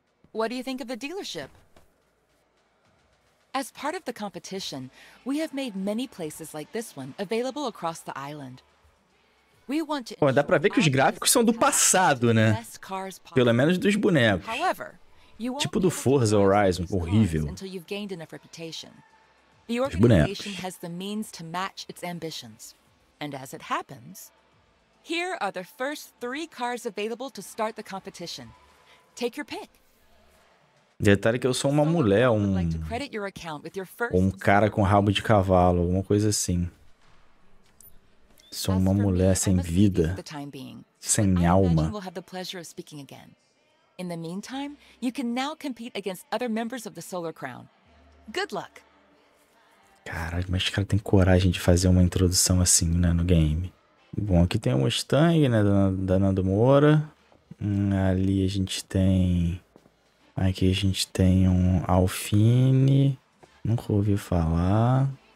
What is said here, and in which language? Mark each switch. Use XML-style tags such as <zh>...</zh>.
<en>What do you think of the dealership? As part of the competition, we have made many places like this one available across the island. We want to...</en> <pt>Bom, dá pra ver que os gráficos são do passado, né? Pelo menos dos bonecos.</pt> <en>However,</en> <pt>tipo do Forza Horizon, horrível.</pt> <en>Until you've gained enough reputation. The organization has the means to match its ambitions. And as it happens, here are the first three cars available to start the competition. Take your pick.</en> <pt>Detalhe que eu sou uma mulher, um cara com rabo de cavalo, alguma coisa assim. Sou uma mulher sem vida, sem alma.</pt> <en>We'll have the pleasure of speaking again. In the meantime, you can now compete against other members of the Solar Crown. Good luck.</en> <pt>Caralho, mas esse cara tem coragem de fazer uma introdução assim, né, no game. Bom, aqui tem o Mustang, né, da Nando Moura. Ali a gente tem... Aqui a gente tem um Alphine. Nunca ouvi falar.</pt>